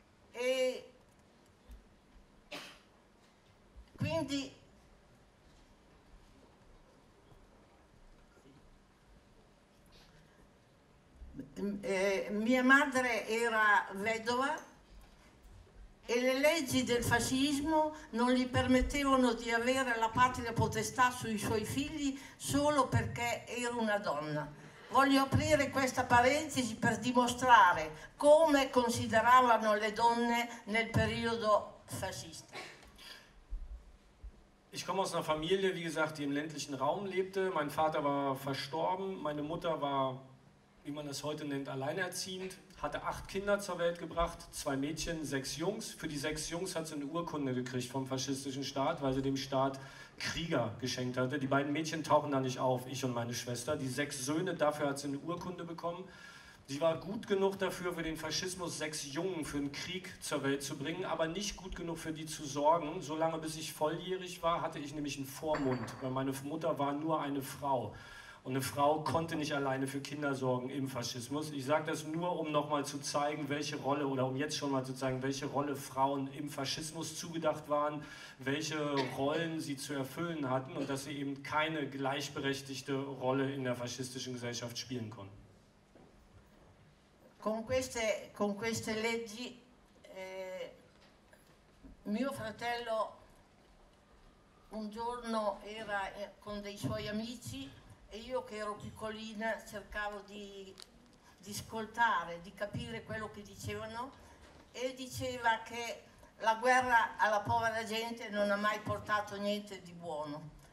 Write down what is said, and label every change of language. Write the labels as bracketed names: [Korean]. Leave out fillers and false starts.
[Italian] E quindi mia madre era vedova e le leggi del fascismo non gli permettevano di avere la patria potestà sui suoi figli solo perché era una donna. Voglio aprire questa parentesi per dimostrare come consideravano le donne nel periodo fascista. [German] Ich komme aus einer Familie, wie gesagt, die im ländlichen Raum lebte. Mein Vater war verstorben, meine Mutter war, wie man es heute nennt, alleinerziehend, hatte 8 Kinder zur Welt gebracht, 2 Mädchen, 6 Jungs. Für die 6 Jungs hat sie eine Urkunde gekriegt vom faschistischen Staat, weil sie dem Staat Krieger geschenkt hatte. Die beiden Mädchen tauchen da nicht auf, ich und meine Schwester. Die 6 Söhne, dafür hat sie eine Urkunde bekommen. Sie war gut genug dafür, für den Faschismus 6 Jungen für den Krieg zur Welt zu bringen, aber nicht gut genug für die zu sorgen. Solange bis ich volljährig war, hatte ich nämlich einen Vormund, weil meine Mutter war nur eine Frau. Und eine Frau konnte nicht alleine für Kinder sorgen im Faschismus. Ich sage das nur, um noch mal zu zeigen, welche Rolle, oder um jetzt schon mal zu zeigen, welche Rolle Frauen im Faschismus zugedacht waren, welche Rollen sie zu erfüllen hatten und dass sie eben keine gleichberechtigte Rolle in der faschistischen Gesellschaft spielen konnten. [Italian] Con queste leggi, mio fratello un giorno era con dei suoi amici. E io che ero piccolina cercavo di ascoltare, di capire quello che dicevano e diceva che la guerra alla povera gente non ha mai portato niente di buono.